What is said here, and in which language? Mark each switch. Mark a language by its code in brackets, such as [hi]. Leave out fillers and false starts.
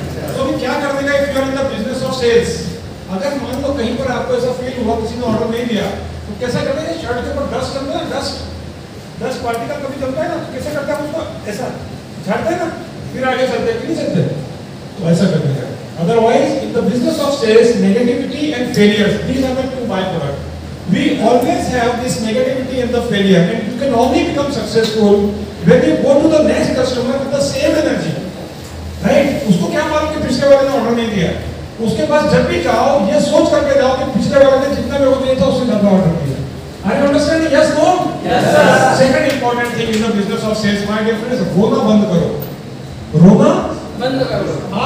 [hi] तो अभी क्या कर देगा [en] If you are in the business of sales? [hi] अगर मान लो कहीं पर आपको ऐसा फील हुआ किसी ने ऑर्डर नहीं दिया, तो कैसे करते हैं शर्ट के ऊपर डस्ट जमता है, डस्ट डस्ट पार्टिकल कभी जमता है ना, तो कैसे करते हैं उसको ऐसा झाड़ते हैं ना, फिर आगे चलते हैं कि नहीं चलते, तो ऐसा करते हैं। [en] Otherwise in the business of sales negativity and failures these are the two byproduct. We always have this negativity and the failure, and you can only become successful when you go to the next customer with the same energy, right? [hi] उसको क्या मालूम कि पिछले वाले ने order नहीं दिया, उसके पास जब भी जाओ ये सोच करके जाओ कि पिछले वाले ने जितना लोगों दिया था उससे ज्यादा ऑर्डर दिया। [en] Are you understanding? Yes, no? Yes, sir. Second important thing in the business of sales, my dear friends, [hi] रोना बंद करो। रोना बंद करो।